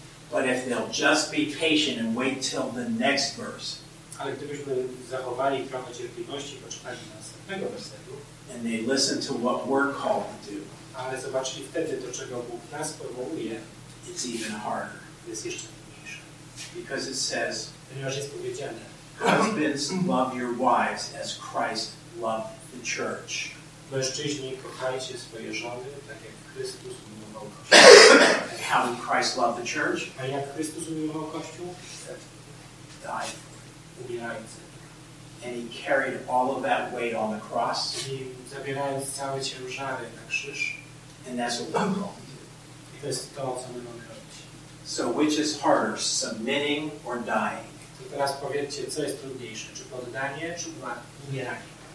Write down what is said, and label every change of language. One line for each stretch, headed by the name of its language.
English: But if they'll just be patient and wait till the next verse,
Polish: ale gdybyśmy zachowali trochę cierpliwości, poczekali na następnego wersetu,
English: and they listen to what we're called to do,
Polish: ale zobaczyli wtedy, do czego Bóg nas powołuje,
English: it's even harder.
Polish: Jest jeszcze trudniejsze.
English: Because it says,
Polish: ponieważ jest powiedziane,
English: husbands, love your wives as Christ loved the church.
Polish: Mężczyźni, kochajcie swoje żony, tak jak Chrystus umiłował Kościół.
English: And how did Christ love the church?
Polish: A jak Chrystus umiłował Kościół?
English: Died. And he carried all of that weight on the cross.
Polish: I zabierając całe ciężary na krzyż.
English: And that's what we're going to do.
Polish: To jest to, co my mamy robić.
English: So which is harder, submitting or dying?
Polish: To teraz powiedzcie, co jest trudniejsze, czy poddanie, czy umieranie?